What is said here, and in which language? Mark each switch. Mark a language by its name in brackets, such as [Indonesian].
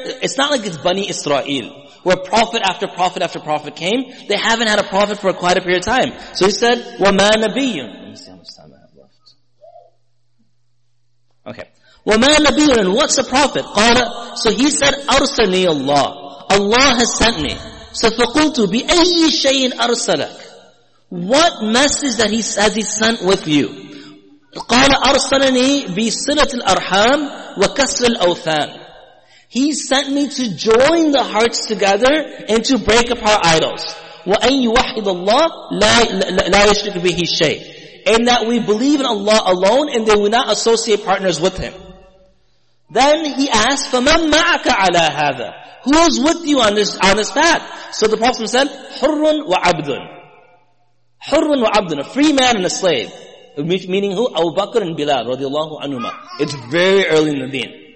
[English] It's not like it's Bani Israel, where prophet after prophet after prophet came. They haven't had a prophet for quite a period of time. So he said, [Arabic] وَمَا نَبِيٌّ. [English] Let me see how much time I have left. Okay. [Arabic] وَمَا نَبِيٌّ. [English] What's a prophet? [Arabic] قَالَ. [English] So he said, [Arabic] أَرْسَلْنِي اللَّهُ. [English] Allah has sent me. So [Arabic] فَقُلْتُ بِأَيِّ شَيْءٍ أَرْسَلَكَ. [English] What message that has he sent with you? [Arabic] قَالَ أَرْسَلَنِي بِصِلَةِ الْأَرْحَامِ وَكَسْرِ الْأَوْثَانِ. [English] He sent me to join the hearts together and to break apart idols. [Arabic] وَأَن يُوَحِّدَ اللَّهُ لَا يُشْرِكْ بِهِ شَيْءٍ. [English] And that we believe in Allah alone, and they will not associate partners with Him. Then he asked, [Arabic] "فَمَن مَعَكَ عَلَى هَذَا?" [English] Who is with you on this path? So the Prophet said, [Arabic] "حُرٌّ وَعَبْدٌ." حُرٌّ وَعَبْدٌ, [English] a free man and a slave. Meaning who? Abu Bakr and Bilal, radiallahu anhuma. It's very early in the deen.